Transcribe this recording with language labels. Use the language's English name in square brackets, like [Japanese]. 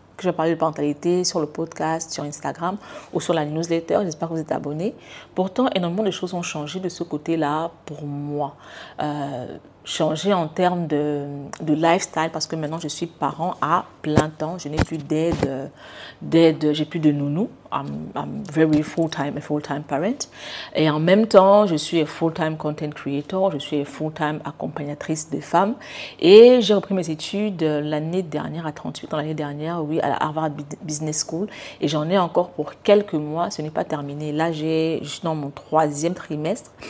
[French] Je vais parler de parentalité sur le podcast, sur Instagram ou sur la newsletter. J'espère que vous êtes abonnés. Pourtant, énormément de choses ont changé de ce côté-là pour moi. Changé en termes de lifestyle parce que maintenant, je suis parent à plein temps. Je n'ai plus d'aide. J'ai plus de nounou. [English] I'm very full-time, a full-time parent. [French] Et en même temps, je suis [English] a full-time content creator. [French] Je suis [English] a full-time [French] accompagnatrice de femmes. Et j'ai repris mes études l'année dernière, à 38 ans, l'année dernière, oui, à la Harvard Business School. Et j'en ai encore pour quelques mois. Ce n'est pas terminé. Là, je suis dans mon troisième trimestre.